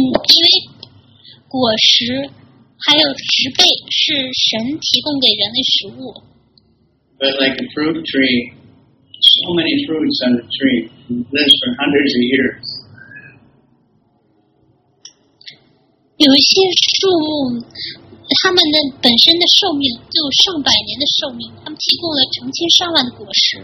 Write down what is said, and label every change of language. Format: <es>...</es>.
<zh>因为果实还有植被是神提供给人类食物。</zh> <en>But like a fruit tree, so many fruits on the treeLives for hundreds of years.</en> <zh>有一些树木，它们的本身的寿命就上百年的寿命，它们提供了成千上万的果实。</zh>